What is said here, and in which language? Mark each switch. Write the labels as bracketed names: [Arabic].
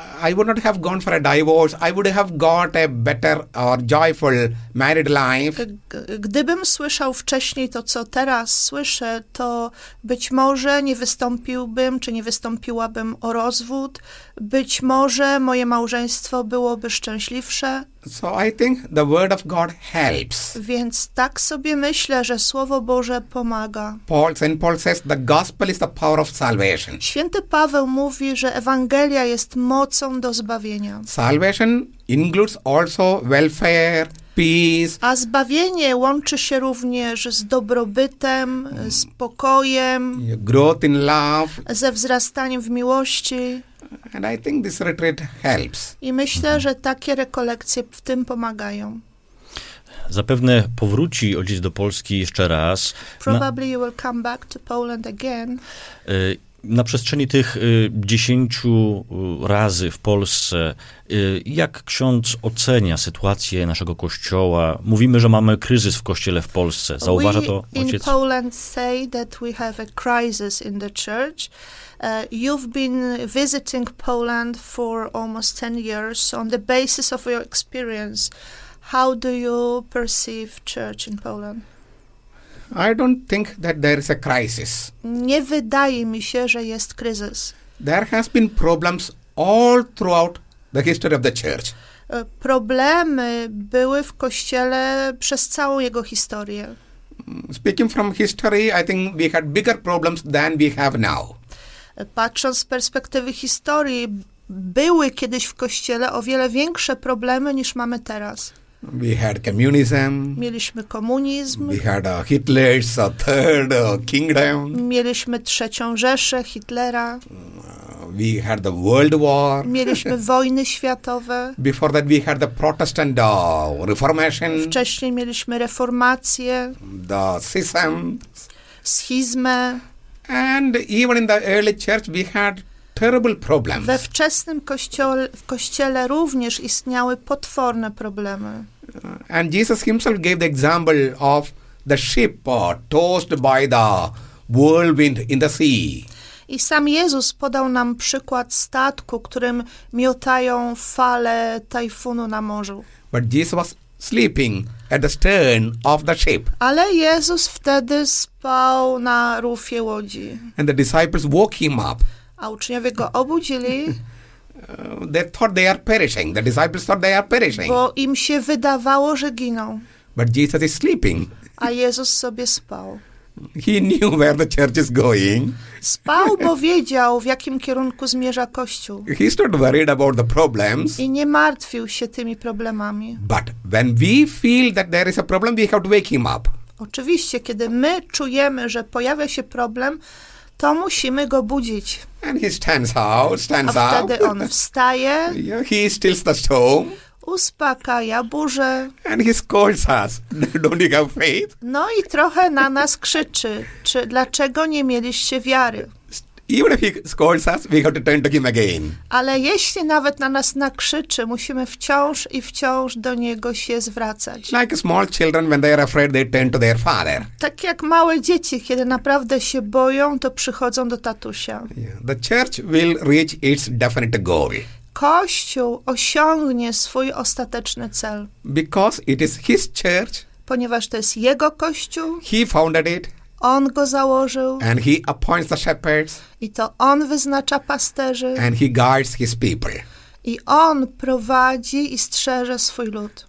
[English] I would not have gone for a divorce. I would have got a better or joyful married life. [Polish] Gdybym słyszał wcześniej to, co teraz słyszę, to być może nie wystąpiłbym, czy nie wystąpiłabym o rozwód. Być może moje małżeństwo byłoby szczęśliwsze. [English] So I think the word of God helps. [Polish] Więc tak sobie myślę, że Słowo Boże pomaga. [English] Paul says the gospel is the power of salvation. [Polish] Święty Paweł mówi, że Ewangelia jest mocą do zbawienia. [English] Salvation includes also welfare, peace. [Polish] A zbawienie łączy się również z dobrobytem, z pokojem, [English] growth in love, [Polish] ze wzrastaniem w miłości. [English] And I think this retreat helps. [Polish] I myślę, że takie rekolekcje w tym pomagają. Zapewne powróci ojciec do Polski jeszcze raz. [English] Probably you will come back to Poland again. [Polish] Na przestrzeni tych 10 razy w Polsce, jak ksiądz ocenia sytuację naszego kościoła? Mówimy, że mamy kryzys w kościele w Polsce. Zauważa we to ojciec? [English] In Poland say that we have a crisis in the church. You've been visiting Poland for almost 10 years. On the basis of your experience, how do you perceive church in Poland? I don't think that there is a crisis. [Polish] Nie wydaje mi się, że jest kryzys. [English] There has been problems all throughout the history of the church. [Polish] Problemy były w kościele przez całą jego historię. [English] Speaking from history, I think we had bigger problems than we have now. [Polish] Patrząc z perspektywy historii, były kiedyś w kościele o wiele większe problemy niż mamy teraz. [English] We had communism. [Polish] Mieliśmy komunizm. [English] We had Hitler's third kingdom. [Polish] Mieliśmy trzecią Rzeszę Hitlera. [English] We had the World War. [Polish] Mieliśmy wojny światowe. [English] Before that we had the Protestant Reformation. [Polish] Wcześniej mieliśmy reformację. [English] The schism. [Polish] Schizmę. [English] And even in the early church we had terrible problems. [Polish] We wczesnym kościele również istniały potworne problemy. [English] And Jesus himself gave the example of the ship tossed by the whirlwind in the sea. [Polish] I sam Jezus podał nam przykład statku, którym miotają fale tajfunu na morzu. [English] But Jesus was sleeping at the stern of the ship. [Polish] Ale Jezus wtedy spał na rufie łodzi. [English] And the disciples woke him up. [Polish] A uczniowie go obudzili. [English] They thought they are perishing. The disciples thought they are perishing. [Polish] Bo im się wydawało, że giną. [English] But Jesus is sleeping. [Polish] A Jezus sobie spał. [English] He knew where the church is going. [Polish] Spał, bo wiedział, w jakim kierunku zmierza Kościół. [English] He's not worried about the problems. [Polish] I nie martwił się tymi problemami. [English] But when we feel that there is a problem, we have to wake him up. [Polish] Oczywiście, kiedy my czujemy, że pojawia się problem, to musimy go budzić. [English] And he stands up. [Polish] A wtedy on wstaje. [English] Yeah, he stills the storm. [Polish] Uspokaja burzę. [English] And he scolds us. Don't you have faith? [Polish] No i trochę na nas krzyczy. Czy dlaczego nie mieliście wiary? [English] Even if he scolds us, we have to turn to him again. [Polish] Ale jeśli nawet na nas nakrzyczy, musimy wciąż i wciąż do niego się zwracać. [English] Like small children, when they are afraid, they turn to their father. [Polish] Tak jak małe dzieci, kiedy naprawdę się boją, to przychodzą do tatusia. [English] Yeah. The church will reach its definite goal. [Polish] Kościół osiągnie swój ostateczny cel. [English] Because it is his church. [Polish] Ponieważ to jest jego kościół. [English] He founded it. [Polish] On go założył. [English] And he appoints the shepherds. [Polish] I to on wyznacza pasterzy. [English] And he guides his people. [Polish] I on prowadzi i strzeże swój lud.